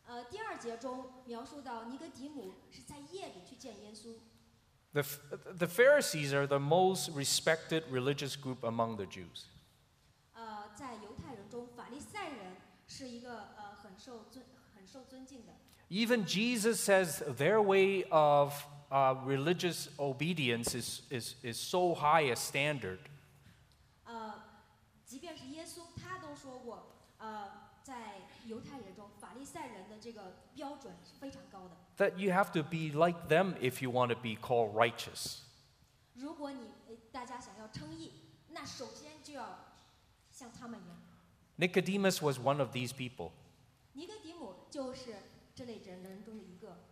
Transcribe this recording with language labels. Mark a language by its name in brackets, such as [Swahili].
[Chinese] 第二节中描述到尼哥底母是在夜里去见耶稣。 [English] The Pharisees are the most respected religious group among the Jews. [Chinese] 在犹太人中，法利赛人是一个很受尊敬的。 [English] Even Jesus says their way of religious obedience is so high a standard. [Chinese] 即便是耶稣，他都说过，在犹太人中，法利赛人的这个标准是非常高的。 [English] That you have to be like them if you want to be called righteous. [Chinese] 如果你大家想要称义，那首先就要像他们一样。 [English] Nicodemus was one of these people. [Chinese] 尼哥底母就是这类人中的一个。